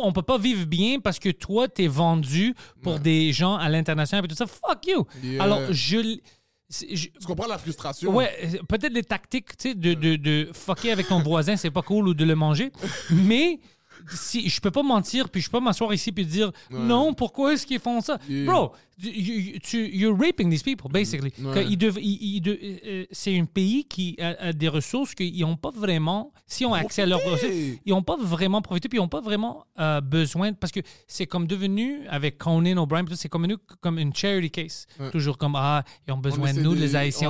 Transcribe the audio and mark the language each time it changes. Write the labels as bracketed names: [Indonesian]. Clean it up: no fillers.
[French] On peut pas vivre bien parce que toi, t'es vendu pour des gens à l'international, puis tout ça. [English] Fuck you! Yeah. [French] Alors, Tu comprends la frustration. Ouais, peut-être les tactiques, tu sais, de fucker avec ton voisin, c'est pas cool, ou de le manger. Mais si je peux pas mentir, puis je peux pas m'asseoir ici puis dire ouais. Non, pourquoi est-ce qu'ils font ça? [English] Yeah. Bro, you're raping these people, basically. [French] Ouais. C'est un pays qui a des ressources qu'ils ont pas vraiment, si on a accès à leurs ressources, ils ont pas vraiment profité, puis ils ont pas vraiment besoin, parce que c'est comme devenu, avec Conan O'Brien, c'est devenu comme une charity case. Ouais. Toujours comme, ah, ils ont besoin de nous, les Haïtiens,